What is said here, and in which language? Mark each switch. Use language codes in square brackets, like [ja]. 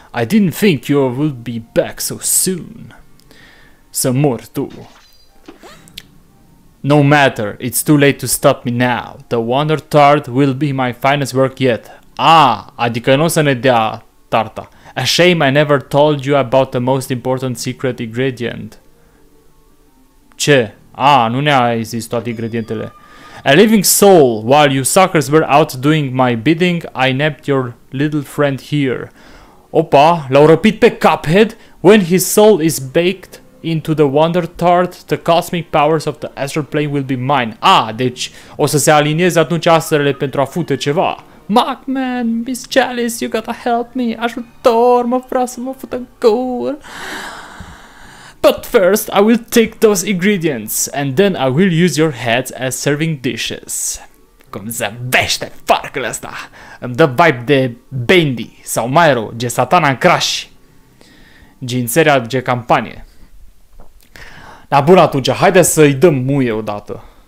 [en] I didn't think you would be back so soon. [ro] Să mor tu. [en] No matter, it's too late to stop me now. The Wonder Tart will be my finest work yet. [ro] Ah, adică nu o să ne dea tarta. [en] A shame I never told you about the most important secret ingredient. [ro] Ce? Ah, nu ne-ai zis toate ingredientele. [en] A living soul, while you suckers were out doing my bidding, I nabbed your little friend here. [ro] Opa, l-au răpit pe Cuphead? [en] When his soul is baked into the Wonder Tart, the cosmic powers of the astral plane will be mine. [ro] Ah, deci o să se alinieze atunci astrele pentru a fute ceva. [en] Mugman, Miss Chalice, you gotta help me. [ro] Ajutor, mă vreau să mă fut în gur. [en] But first, I will take those ingredients and then I will use your heads as serving dishes. [ro] Cum zâmbește farcul ăsta. Îmi dă vibe de Bendy sau mai rău, de Satana în Crash. Din seria de campanie. Dar bun atunci, haide să-i dăm muie odată.